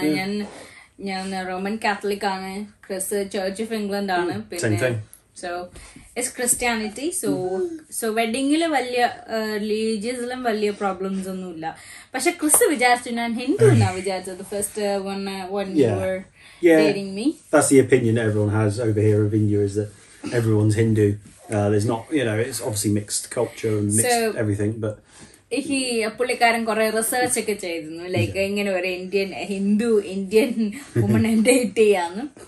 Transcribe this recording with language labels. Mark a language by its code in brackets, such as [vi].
[ml] And ഞാൻ Roman Catholic ആണ്, Chris church of England ആണ്, പിന്നെ [en] So it's Christianity. [ml] സോ വെഡിങ്ങിൽ വലിയ റിലീജിയസിലും വലിയ പ്രോബ്ലംസ് ഒന്നും ഇല്ല. പക്ഷെ ക്രിസ് വിചാരിച്ചു, ഞാൻ ഹിന്ദു എന്നാ വിചാരിച്ചത് first [en] Dating me. That's the opinion everyone has over here of India is that everyone's Hindu. There's not, you know, it's obviously mixed culture and mixed everything, but [ml] പുള്ളിക്കാരൻ കുറെ റിസർച്ച് ഒക്കെ ചെയ്തിരുന്നു ലൈക്ക് എങ്ങനെ ഒരു ഇന്ത്യൻ ഹിന്ദു ഇന്ത്യൻ വുമനെ ഡേറ്റ് ചെയ്യാന്ന്.